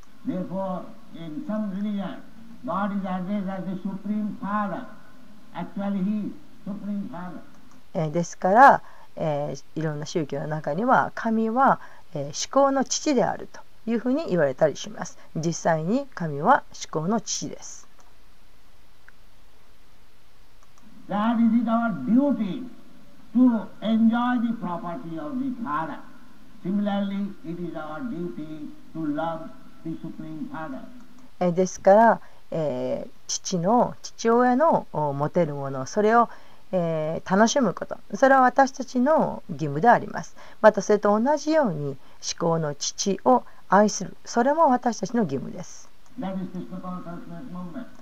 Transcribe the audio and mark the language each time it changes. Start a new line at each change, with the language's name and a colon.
Japanese: ですから、いろんな宗教の中には神は、思考の父であるというふうに言われたりします。実際に神は思考の父です。
English: That is it, our duty to enjoy the property of the Father. Similarly, it is our duty to love the Supreme Father.
Japanese: ですから、父の父親の持てるもの、それを、楽しむこと、それは私たちの義務であります。またそれと同じように思考の父を愛する、それも私たちの義務です。
English: That is Krishna consciousness movement.